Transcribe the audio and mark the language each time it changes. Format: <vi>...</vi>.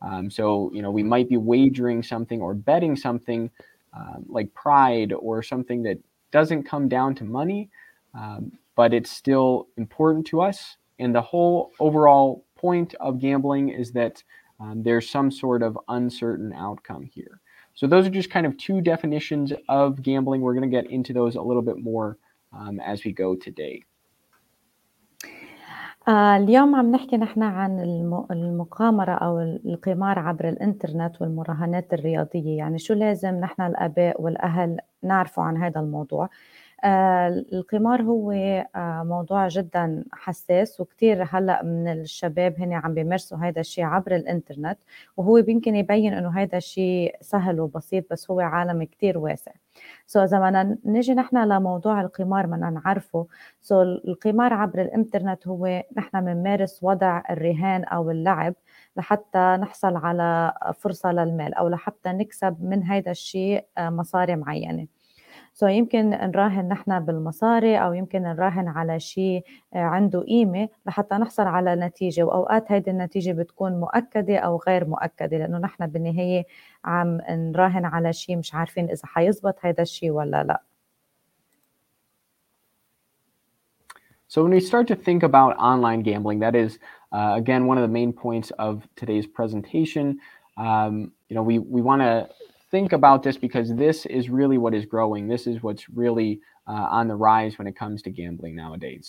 <en>So, you know, we might be wagering something or betting something like pride or something that doesn't come down to money, but it's still important to us. And the whole overall point of gambling is that there's some sort of uncertain outcome here. So those are just kind of two definitions of gambling. We're going to get into those a little bit more as we go today.</en> <ar>اليوم عم نحكي نحن عن المقامرة أو القمار عبر الإنترنت والمراهنات الرياضية. يعني شو لازم نحن الآباء والأهل نعرفوا عن هذا الموضوع؟ القمار هو موضوع جدا حساس وكتير هلأ من الشباب هني عم بيمارسوا هذا الشيء عبر الانترنت وهو يمكن يبين انه هذا الشيء سهل وبسيط بس هو عالم كتير واسع. سو اذا ما نجي نحن لموضوع القمار ما نعرفه سو القمار عبر الانترنت هو نحن بنمارس وضع الرهان او اللعب لحتى نحصل على فرصة للمال او لحتى نكسب من هذا الشيء مصاري معينة. سو يمكن نراهن نحن بالمصاري او يمكن نراهن على شيء عنده قيمه لحتى نحصل على نتيجه واوقات هيدي النتيجه بتكون مؤكده او غير مؤكده لانه نحن بالنهايه عم نراهن على شيء مش عارفين اذا حيزبط هيدا الشيء ولا لا.</ar> <en>So when we start to think about online gambling, that is again one of the main points of today's presentation. You know, we want to think about this because this is really what is growing. This is what's really on the rise when it comes to gambling nowadays.</en>